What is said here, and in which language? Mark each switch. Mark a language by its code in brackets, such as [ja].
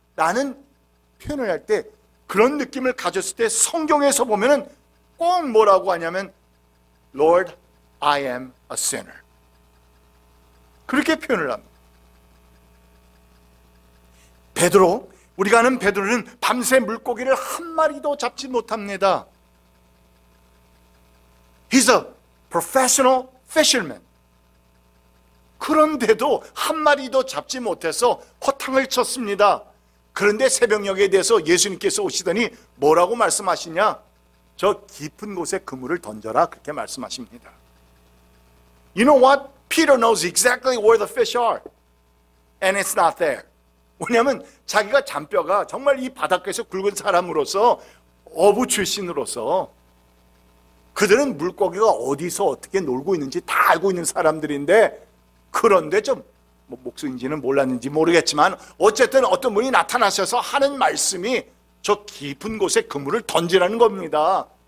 [ko] 라는 표현을 할 때 그런 느낌을 가졌을 때 성경에서 보면은 꼭 뭐라고 하냐면 [en] Lord, I am a sinner. [ko] 그렇게 표현을 합니다. 베드로, 우리가 아는 베드로는 밤새 물고기를 한 마리도 잡지 못합니다. [en] He's a professional fisherman. [ko] 그런데도 한 마리도 잡지 못해서 허탕을 쳤습니다. 그런데 새벽녘에 대해서 예수님께서 오시더니 뭐라고 말씀하시냐? 저 깊은 곳에 그물을 던져라 그렇게 말씀하십니다. [en] You know what? Peter knows exactly where the fish are. And it's not there. [ko] 왜냐하면 자기가 잔뼈가 정말 이 바닷가에서 굵은 사람으로서 어부 출신으로서 그들은 물고기가 어디서 어떻게 놀고 있는지 다 알고 있는 사람들인데, 그런데 좀 뭐 목숨인지는 몰랐는지 모르겠지만 어쨌든 어떤 분이 나타나셔서 하는 말씀이 저 깊은 곳에 그물을 던지라는 겁니다.